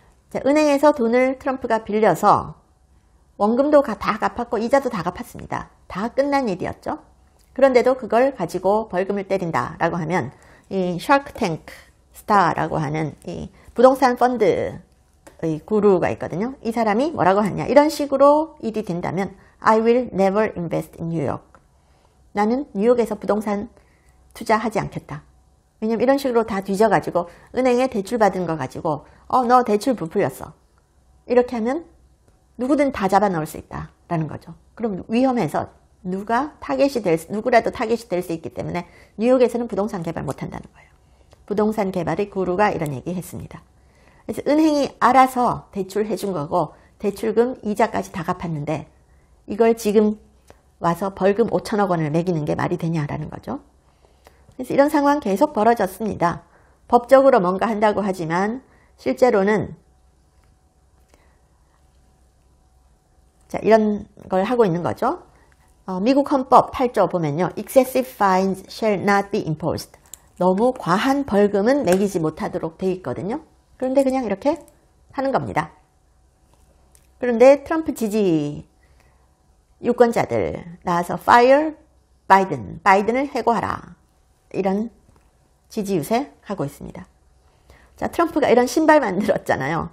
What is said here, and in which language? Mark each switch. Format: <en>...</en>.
<ko>자, 은행에서 돈을 트럼프가 빌려서 원금도 다 갚았고 이자도 다 갚았습니다. 다 끝난 일이었죠. 그런데도 그걸 가지고 벌금을 때린다라고 하면 이 샤크 탱크 스타라고 하는 이 부동산 펀드의 구루가 있거든요. 이 사람이 뭐라고 하냐? 이런 식으로 일이 된다면</ko> <en>I will never invest in New York.</en> <ko>나는 뉴욕에서 부동산 투자하지 않겠다. 왜냐면 이런 식으로 다 뒤져가지고 은행에 대출받은 거 가지고 너 대출 부풀렸어. 이렇게 하면 누구든 다 잡아넣을 수 있다라는 거죠. 그럼 위험해서 누구라도 타겟이 될수 있기 때문에 뉴욕에서는 부동산 개발 못한다는 거예요. 부동산 개발의 구루가 이런 얘기했습니다. 그래서 은행이 알아서 대출해준 거고 대출금 이자까지 다 갚았는데 이걸 지금 와서 벌금 5천억 원을 매기는 게 말이 되냐라는 거죠. 그래서 이런 상황 계속 벌어졌습니다. 법적으로 뭔가 한다고 하지만 실제로는 자, 이런 걸 하고 있는 거죠. 미국 헌법 8조 보면요.</ko> <en>Excessive fines shall not be imposed.</en> <ko>너무 과한 벌금은 매기지 못하도록 돼 있거든요. 그런데 그냥 이렇게 하는 겁니다. 그런데 트럼프 지지 유권자들 나와서</ko> <en>Fire Biden,</en> <ko>바이든을 해고하라. 이런 지지 유세하고 있습니다. 자, 트럼프가 이런 신발 만들었잖아요.</ko>